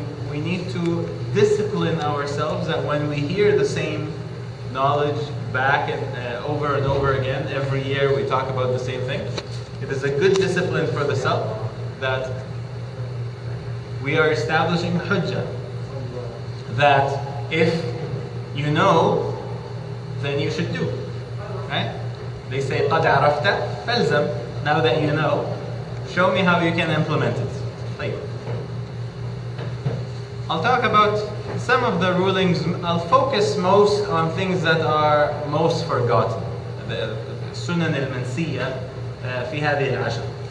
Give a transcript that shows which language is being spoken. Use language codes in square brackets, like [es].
[en] We need to discipline ourselves that when we hear the same knowledge back and over again, every year we talk about the same thing. It is a good discipline for the self that we are establishing hujjah. That if you know, then you should do. Right? They say, [ar] قَدْ عَرَفْتَ فَلْزَمْ. [en] Now that you know, show me how you can implement it. I'll talk about some of the rulings. I'll focus most on things that are most forgotten. [ar] The sunan al-mansiya fi hadhihi al-ashr.